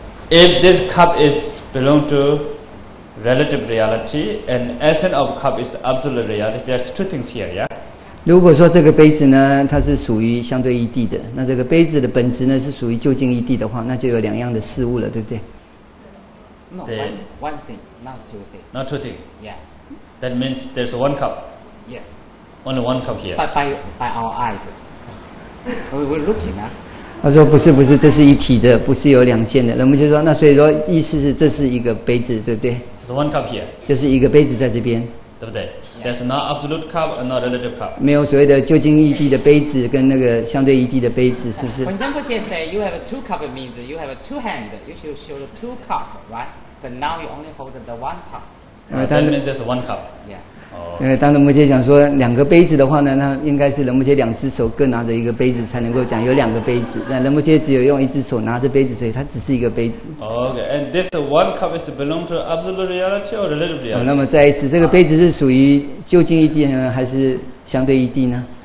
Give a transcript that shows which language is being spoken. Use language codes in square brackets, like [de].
[en] If this cup is belong to relative reality and essence of cup is absolute reality, there's two things here, yeah? [zh] 如果说这个杯子呢，它是属于相对义谛的，那这个杯子的本质呢是属于究竟义谛的话，那就有两样的事物了，对不对？ [en] No, one thing, not two things. Not two things. Yeah. That means there's one cup. Yeah. Only one cup here. By our eyes. We're looking at. [zh] 他说不是不是，这是一体的，不是有两件的。那么就说，那所以说意思是这是一个杯子，对不对？ [en] There's one cup here. [zh] 就是一个杯子在这边，对不对？ [en] There's no absolute cup and no relative cup. [zh] 没有所谓的究竟义谛的杯子跟那个相对义谛的杯子，是不是？ [en] When Zenpo Xie say you have two cup means you have two hand, you should show the two cup, right? But now you only hold the one cup. That means there's one cup. Yeah. [zh] 因为当仁波切讲说两个杯子的话呢，那应该是仁波切两只手各拿着一个杯子才能够讲有两个杯子。那仁波切只有用一只手拿着杯子，所以它只是一个杯子。 [en] Okay, and this one cup is belong to absolute reality or relative reality?、 [zh] 那么再一次，这个杯子是属于究竟义谛呢，还是相对义谛呢？